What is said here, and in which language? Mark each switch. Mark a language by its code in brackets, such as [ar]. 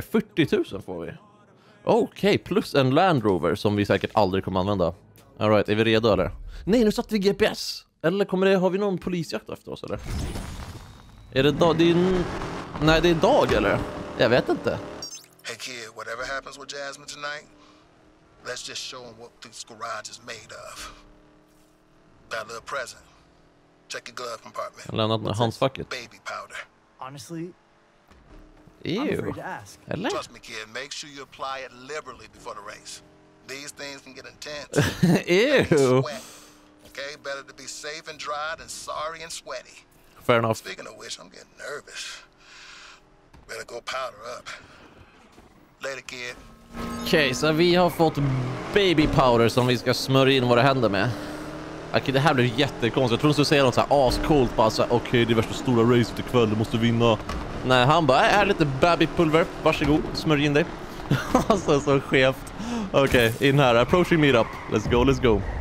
[sv] 40 000 får vi. Okej. Plus en Land Rover som vi säkert aldrig kommer använda. [en] All right. [sv] Är vi redo eller? Nej, nu satt vi GPS. Eller kommer det... Har vi någon polisjakt efter oss eller? Är det dag? Det är... Nej, det är dag eller? Jag vet inte. [en] Hey kid, whatever happens with Jasmine tonight, let's just show them what this garage is made of. Got a little present. Check your glove compartment. [sv] Lämnat med handskfacket. [en] Baby powder. Honestly, ew. I'm afraid to ask. Trust me, kid. Make sure you apply it liberally before the race. These things can get intense. Ew. Okay, better to be safe and dry than sorry and sweaty. Fair enough. Speaking of which, I'm getting nervous. Better go powder up. Later, kid. [sv] Okej, så vi har fått baby powder som vi ska smörja in våra händer med. Okej, det här blev jättekonstigt. Jag tror att du skulle säga något såhär ascoolt. Bara såhär, okej, det är värsta stora racet ikväll. Du måste vinna. Nej, han bara, är lite baby pulver. Varsågod, smörj in dig. Alltså, så skevt. Okej, in här. [en] Approaching meetup. Let's go, let's go.